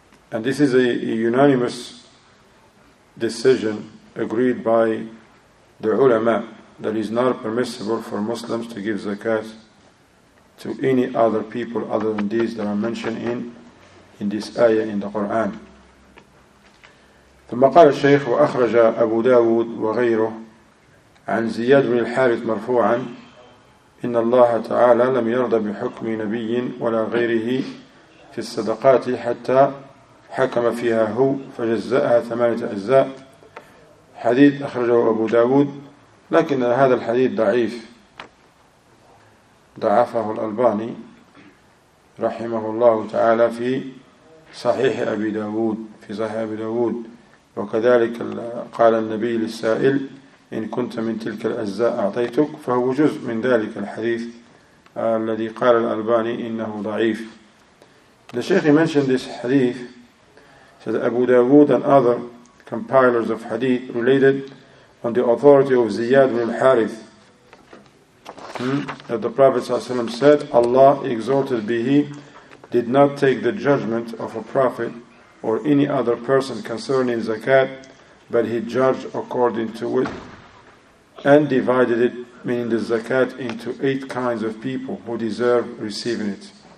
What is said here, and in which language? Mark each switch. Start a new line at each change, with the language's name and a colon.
English: And this is a unanimous decision agreed by the ulama, that it's not permissible for Muslims to give zakat to any other people other than these that are mentioned in this ayah in the Quran.
Arabic: ثم قال الشيخ وأخرج أبو داود وغيره عن زياد بن الحارث مرفوعا إن الله تعالى لم يرضى بحكم نبي ولا غيره في الصدقات حتى حكم فيها هو فجزأها ثمانية أجزاء حديث أخرجه أبو داود لكن هذا الحديث ضعيف ضعفه الألباني رحمه الله تعالى في صحيح أبي داود في صحيح أبي داود وكذلك قال النبي للسائل إن كنت من تلك الأجزاء أعطيتك فهو جزء من ذلك الحديث الذي قال الألباني إنه ضعيف.
English: The Sheikh mentioned this hadith, said Abu Dawood and other compilers of hadith related on the authority of Ziyad ibn al-Harith, that the Prophet ﷺ said, Allah, exalted be He, did not take the judgment of a prophet or any other person concerning zakat, but He judged according to it and divided it, meaning the zakat, into 8 kinds of people who deserve receiving it.